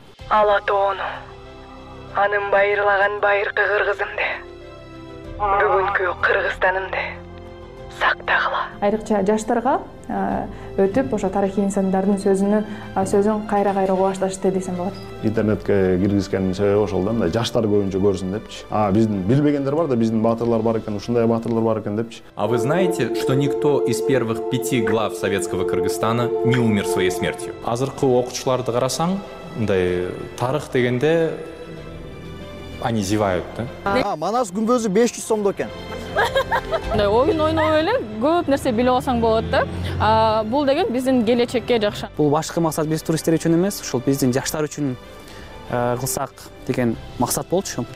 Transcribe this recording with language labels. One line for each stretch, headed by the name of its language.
Kyrgyz: Ала тоону, анын байырлаган байыркы кыргызымды, бүгүнкү Кыргызстанымды сактагыла. Айрыкча жаштарга өтүп ошо тарыхый инсандардын сөзүн кайра-кайра угуп башташты десем болот. Интернетке киргизгенин себеби ошол да, мындай жаштар көбүнчө көрсүн депчи. А биздин билбегендер бар да, биздин баатырлар бар экен, ушундай баатырлар бар экен депчи.
Russian: А вы знаете, что никто из первых пяти глав советского Кыргызстана не умер своей смертью?
Kyrgyz: Азыркы окуучуларды карасаң, мындай тарых дегенде
Russian: они зевают
Kyrgyz: да. А Манас күмбөзү 500 сомдо экен. Мындай оюн ойноп эле көп нерсе билип алсаң болот да. А бул деген биздин келечекке жакшы. Бул башкы максат биз туристтер үчүн эмес, ушул биздин жаштар үчүн кылсак деген максат болчу.